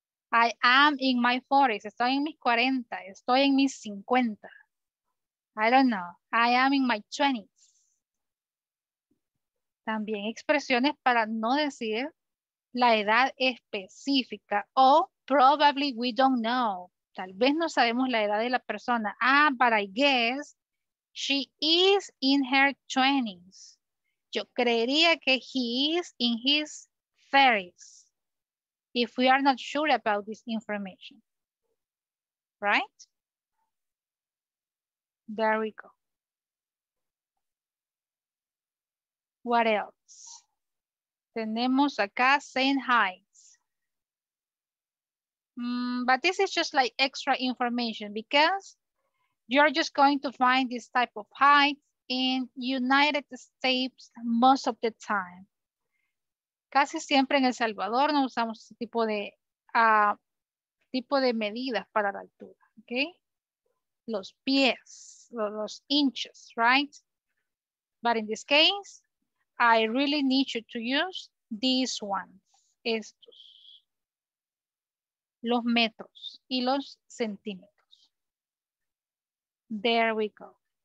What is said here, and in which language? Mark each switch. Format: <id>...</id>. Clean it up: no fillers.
<en>I am in my 40s.</en> <es>Estoy en mis 40. Estoy en mis 50.</es> <en>I don't know. I am in my 20s.</en> <es>También expresiones para no decir la edad específica. O</es> <en>probably we don't know.</en> <es>Tal vez no sabemos la edad de la persona.</es> <en>Ah, but I guess she is in her 20s.</en> <es>Yo creería que</es> <en>he is in his 30s. If we are not sure about this information, right? There we go. What else?</en> <es>Tenemos acá</es> <en>saying hi. But this is just like extra information because you're just going to find this type of height in United States most of the time.</en> <es>Casi siempre en El Salvador no usamos este tipo de medidas para la altura, ¿ok? Los pies, los inches, right?</es> <en>But in this case, I really need you to use these ones, estos.</en> <es>Los metros y los centímetros.</es> <en>There we go.</en>